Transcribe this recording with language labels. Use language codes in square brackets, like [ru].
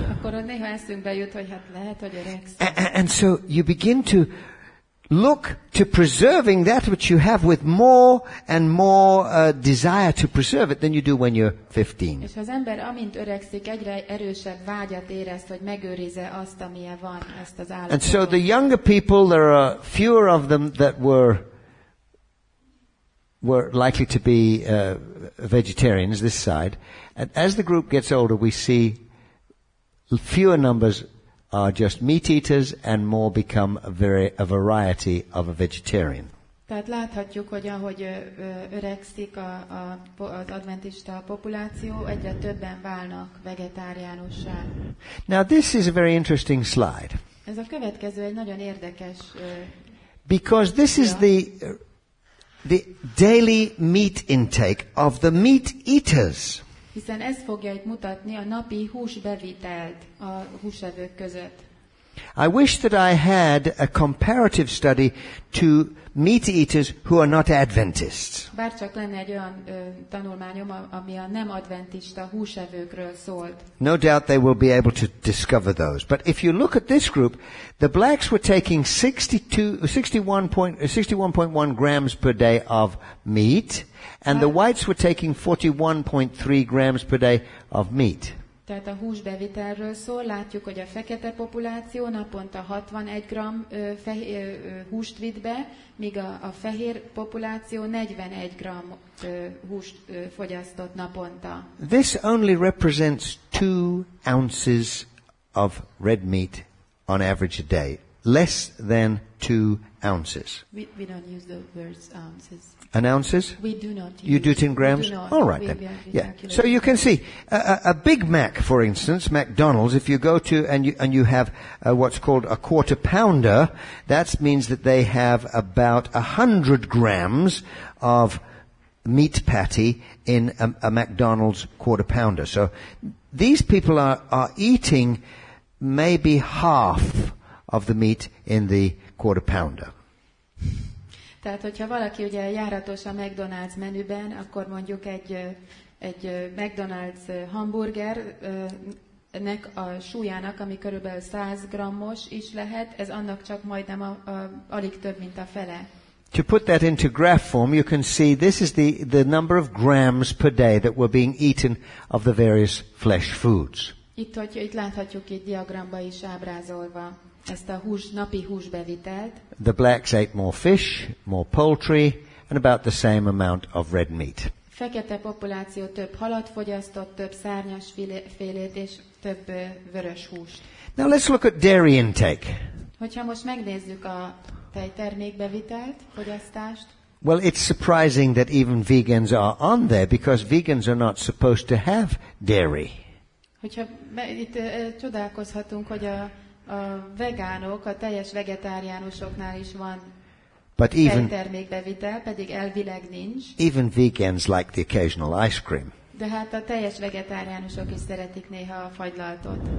[hu] Akkor néha eszünkbe jut, hogy hát lehet, hogy öregszem. [en] And so you begin to look to preserving that which you have with more and more desire to preserve it than you do when you're 15. [hu] És az ember, amint öregszik, egyre erősebb vágyat érezt, hogy megőrize azt, amilyen van, ezt az állapotot. [en] And so the younger people, there are fewer of them that were likely to be vegetarians, this side. And as the group gets older, we see fewer numbers are just meat eaters and more become a variety of a vegetarian. [hu] Tehát láthatjuk, hogy ahogy öregszik az adventista populáció, egyre többen válnak vegetáriánussá. [en] Now this is a very interesting slide. [hu] Ez a következő egy nagyon érdekes. [en] Because this is the daily meat intake of the meat eaters. [hu] Hiszen ez fogja itt mutatni a napi húsbevitelt a húsevők között. [en] I wish that I had a comparative study to meat eaters who are not Adventists. [hu] Bárcsak lenne egy olyan tanulmányom, ami a nem adventista húsevőkről szólt. [en] No doubt they will be able to discover those. But if you look at this group, the blacks were taking 61.1 grams per day of meat. And the whites were taking 41.3 grams per day of meat. [hu] Tehát a húsbevitelről szól, látjuk, hogy a fekete populáció naponta 61 gram húst vitt be, míg a fehér populáció 41 gram húst fogyasztott naponta. [en] This only represents 2 ounces of red meat on average a day. Less than 2 ounces. We don't use the words ounces. An ounces? We do not use. You do it in grams? All right then. Yeah. So you can see, a Big Mac, for instance, McDonald's, if you go to and you have what's called a quarter pounder, that means that they have about 100 grams of meat patty in a McDonald's quarter pounder. So these people are eating maybe half of the meat in the quarter pounder. [hu] Tehát, hogyha valaki ugye járatos a McDonald's menüben, akkor mondjuk egy McDonald's hamburgernek a súlyának, ami körülbelül 100 grammos is lehet, ez annak csak majdnem alig több, mint a fele. [en] To put that into graph form, you can see this is the number of grams per day that were being eaten of the various flesh foods. [hu] Itt láthatjuk egy diagramba is ábrázolva. Ezt a napi húsbevitelt. [en] The blacks ate more fish, more poultry, and about the same amount of red meat. [hu] Fekete populáció több halat fogyasztott, több szárnyas félét és több vörös húst. [en] Now let's look at dairy intake. [hu] Hogyha most megnézzük a tejtermékbevitelt, fogyasztást. [en] Well, it's surprising that even vegans are on there, because vegans are not supposed to have dairy. [hu] Hogyha itt csodálkozhatunk, hogy a vegánok, a teljes vegetáriánusoknál is van tejtermékbevitel, pedig elvileg nincs. [en] Even vegans like the occasional ice cream. [hu] De hát a teljes vegetáriánusok is szeretik néha a fagylaltot.